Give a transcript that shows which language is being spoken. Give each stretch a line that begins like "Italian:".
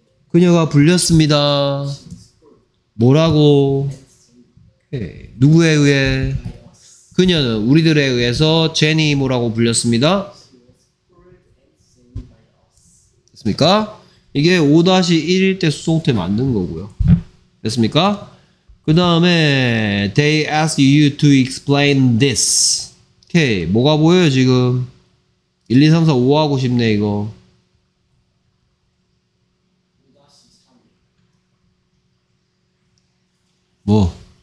Korean: 그녀가 불렸습니다. 뭐라고? 오케이, 누구에 의해? 그녀는 우리들에 의해서 제니 뭐라고 불렸습니다. 됐습니까? 이게 5-1일 때 수동태 만든 거고요. 됐습니까? 그 다음에
English: They asked you to explain this.
Korean: 오케이, 뭐가 보여요 지금? 1, 2, 3, 4, 5 하고 싶네 이거. 뭐?